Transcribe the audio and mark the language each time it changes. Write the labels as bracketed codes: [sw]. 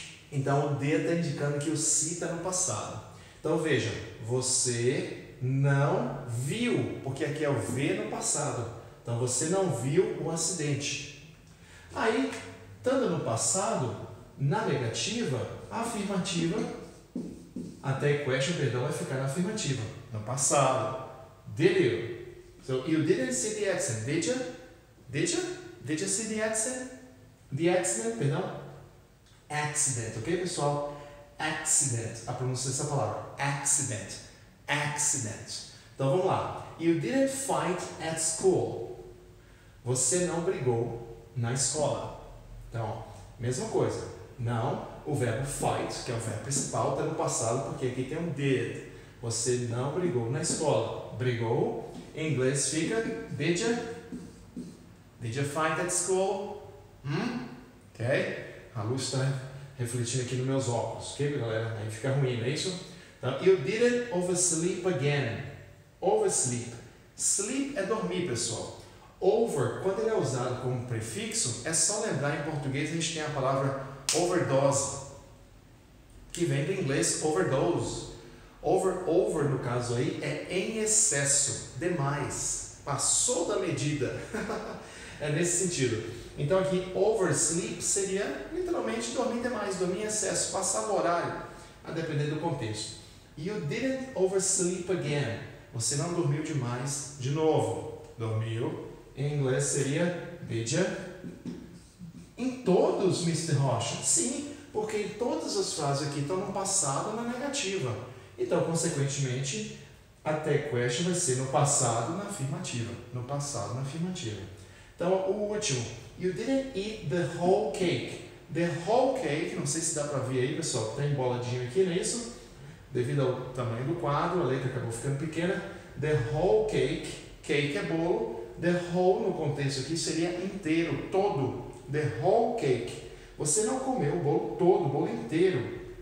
[pt] Então, o did está indicando que o see está no passado. Então, veja, você não viu, porque aqui é o ver no passado. Então, você não viu o acidente. Aí, estando no passado, na negativa, a afirmativa, até a question, perdão, vai ficar na afirmativa. No passado. [en] Did you? So, you didn't see the accident, did you? Did you? Did you see the accident? The accident, perdão? Accident, ok, pessoal? Accident. [pt] A pronúncia dessa palavra. Accident. Accident. Então, vamos lá. [en] You didn't fight at school. [pt] Você não brigou na escola. Então, mesma coisa. Não, o verbo fight, que é o verbo principal, está no passado, porque aqui tem um did. Você não brigou na escola. Brigou, em inglês fica, [en] did you? Did you fight at school? [pt] Ok? A luz está refletindo aqui nos meus óculos. Ok, galera? Aí fica ruim, não é isso? [en] Então, you didn't oversleep again. [pt] Oversleep. Sleep é dormir, pessoal. Over, quando ele é usado como prefixo, é só lembrar, em português a gente tem a palavra overdose, que vem do inglês overdose. Over, no caso aí, é em excesso, demais, passou da medida. É nesse sentido. Então aqui, oversleep seria literalmente dormir demais, dormir em excesso, passar o horário, a depender do contexto. [en] You didn't oversleep again. [pt] Você não dormiu demais de novo. Dormiu. Em inglês seria, [en] did you? [pt] Em todos, Mr. Rocha? Sim, porque em todas as frases aqui estão no passado ou na negativa. Então, consequentemente, a tag question vai ser no passado ou na afirmativa. No passado ou na afirmativa. Então, o último. [en] You didn't eat the whole cake. The whole cake, [pt] não sei se dá para ver aí, pessoal, está emboladinho aqui, não é isso? Devido ao tamanho do quadro, a letra acabou ficando pequena. [en] The whole cake, [pt] cake é bolo. The whole, no contexto aqui, seria inteiro, todo. [en] The whole cake. [pt] Você não comeu o bolo todo, o bolo inteiro.